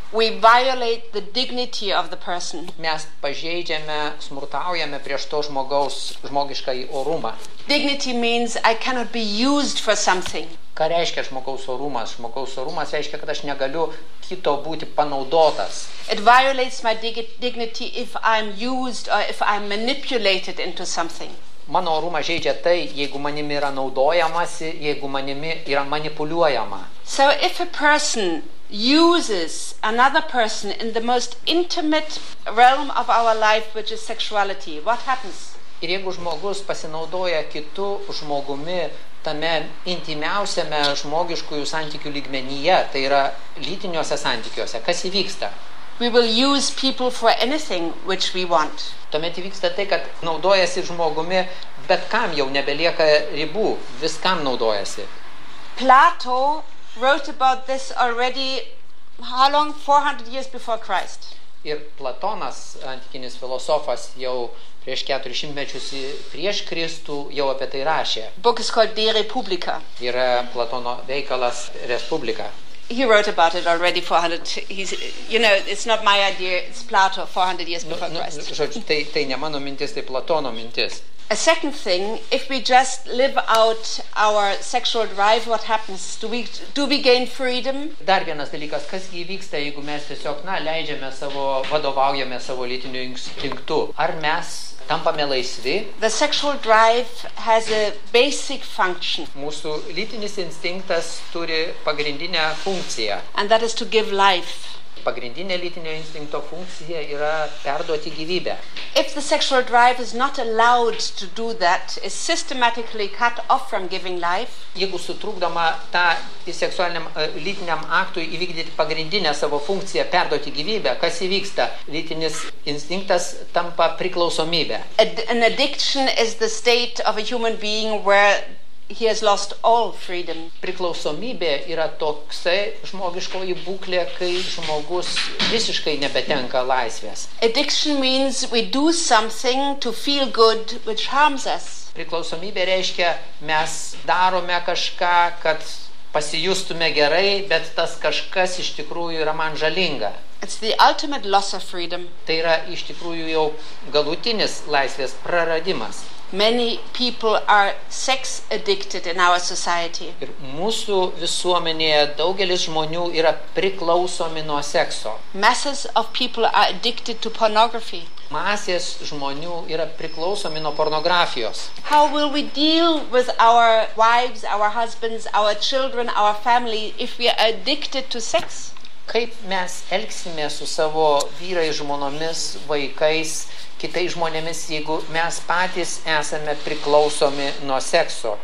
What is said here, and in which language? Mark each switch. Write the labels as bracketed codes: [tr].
[en] We violate the dignity of the person. [lt] Mes pažeidžiame, smurtaujame prieš to žmogaus žmogiškąjį orumą. [en] Dignity means I cannot be used for something. [lt] Ką reiškia žmogaus orumas? Žmogaus orumas reiškia, kad aš negaliu kito būti panaudotas. [en] It violates my dignity if I'm used or if I'm manipulated into something. [lt] Mano orumą žaidžia tai, jeigu manimi yra naudojamasi, jeigu manimi yra manipuliuojama. [en] So if a person uses another person in the most intimate realm of our life, which is sexuality, what happens? [lt] Ir jeigu žmogus pasinaudoja kitu žmogumi tame intimiausiame žmogiškųjų santykių lygmenyje, tai yra lytiniuose santykiuose, kas įvyksta? [en] We will use people for anything which we want. [lt] Tuomet įvyksta tai, kad naudojasi žmogumi, bet kam jau nebelieka ribų, viskam naudojasi. [en] Plato wrote about this already how long, 400 years before Christ. [lt] Ir Platonas, antikinis filosofas, jau prieš 400 metus prieš Kristų jau apie tai rašė. [en] Book is called De Republica. [lt] Yra Platono veikalas Respublika. [en] He wrote about it already 400, he's, you know, it's not my idea, it's Plato 400 years before Christ. [lt] Žodžiu, tai ne mano mintis, tai Platono mintis. [en] A second thing, if we just live out our sexual drive, what happens? Do we gain freedom? [lt] Dar vienas dalykas, kas įvyksta, jeigu mes tiesiog, na, leidžiame savo, vadovaujame savo lytiniu instinktu? Ar mes tampame laisvi? [en] The sexual drive has a basic function. [lt] Mūsų lytinis instinktas turi pagrindinę funkciją. [en] And that is to give life. [lt] Pagrindinė lytinio instinkto funkcija yra perduoti gyvybę. [en] If the sexual drive is not allowed to do that, is systematically cut off from giving life. [lt] Jeigu sutrukdoma tą seksualiniam lytiniam aktui įvykdyti pagrindinę savo funkciją perduoti gyvybę, kas įvyksta? Lytinis instinktas tampa priklausomybė. [en] An addiction is the state of a human being where he has lost all freedom. [lt] Priklausomybė yra toksai žmogiškoji būklė, kai žmogus visiškai nebetenka laisvės. [en] Addiction means we do something to feel good, which harms us. [lt] Priklausomybė reiškia, mes darome kažką, kad pasijustume gerai, bet tas kažkas iš tikrųjų yra man žalinga. [en] It's the ultimate loss of freedom. [lt] Tai yra iš tikrųjų jau galutinis laisvės praradimas. [en] Many people are sex addicted in our society. [lt] Ir mūsų visuomenėje daugelis žmonių yra priklausomi nuo sekso. [en] Masses of people are addicted to pornography. [lt] Masės žmonių yra priklausomi nuo pornografijos. [en] How will we deal with our wives, our husbands, our children, our family if we are addicted to sex? [lt] Kaip mes elgsime su savo vyrais, žmonomis, vaikais, kitais žmonėmis, jeigu mes patys esame priklausomi nuo sekso?